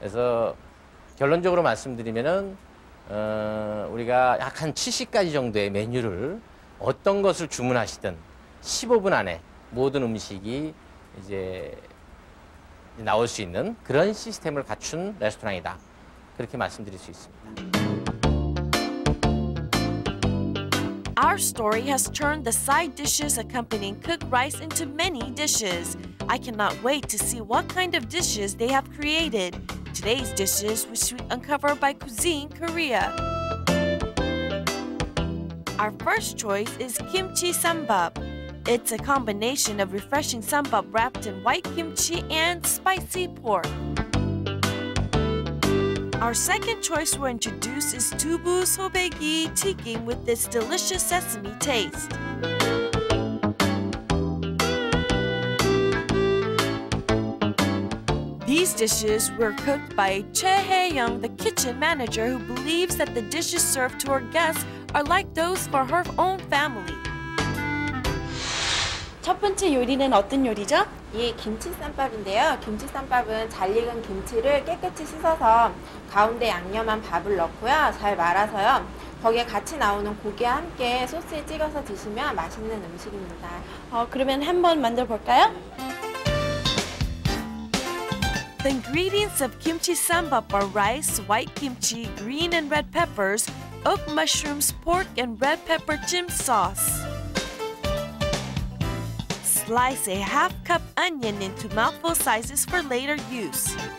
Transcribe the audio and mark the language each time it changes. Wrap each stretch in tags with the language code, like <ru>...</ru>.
<ko>그래서 결론적으로 말씀드리면은 우리가 약 한 70가지 정도의 메뉴를 어떤 것을 주문하시든 15분 안에 모든 음식이 이제 나올 수 있는 그런 시스템을 갖춘 레스토랑이다. 그렇게 말씀드릴 수 있습니다.</ko> <en>Our Story has turned the side dishes accompanying cooked rice into many dishes. I cannot wait to see what kind of dishes they have created. Today's dishes, which we uncover by Cuisine Korea. Our first choice is kimchi sambap. It's a combination of refreshing sambap wrapped in white kimchi and spicy pork. Our second choice we'll introduce is tubu sobaegi tikim with this delicious sesame taste. These dishes were cooked by Choi Hae-young, the kitchen manager, who believes that the dishes served to her guests are like those for her own family.</en> <ko>첫 번째 요리는 어떤 요리죠? 이 김치 쌈밥인데요. 김치 쌈밥은 잘 익은 김치를 깨끗이 씻어서 가운데 양념한 밥을 넣고요. 잘 말아서요. 거기에 같이 나오는 고기와 함께 소스에 찍어서 드시면 맛있는 음식입니다. 그러면 한번 만들어 볼까요?</ko> <en>The ingredients of kimchi sambap are rice, white kimchi, green and red peppers, oak mushrooms, pork and red pepper jim sauce. Slice a half cup onion into mouthful sizes for later use.</en>